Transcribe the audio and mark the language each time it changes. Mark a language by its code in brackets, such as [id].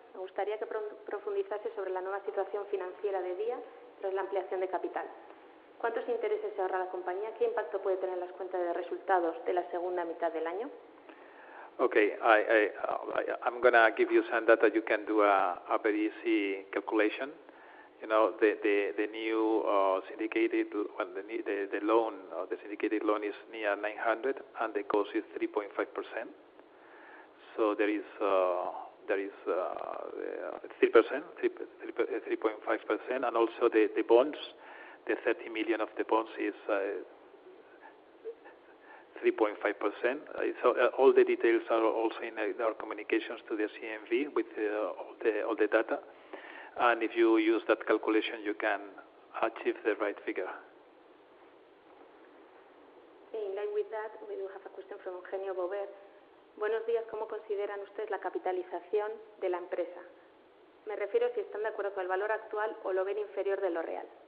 [es] Me gustaría que profundizase sobre la nueva situación financiera de Día tras la ampliación de capital. ¿Cuántos intereses se ahorra la compañía? ¿Qué impacto puede tener las cuentas de resultados de la segunda mitad del año? [en] Okay, I'm going to give you some data. You can do a very easy calculation. You know, the new syndicated well, the loan or the syndicated loan is near 900, and the cost is 3.5%. So there is 3.5%, and also the bonds, the 30 million of the bonds is 3.5%. So all the details are also in our communications to the CNV with all the data. And if you use that calculation, you can achieve the right figure. Okay, in line with that, we do have a question from Eugenio Bover. [es] Buenos días, ¿cómo consideran ustedes la capitalización de la empresa? Me refiero si están de acuerdo con el valor actual o lo ven inferior de lo real.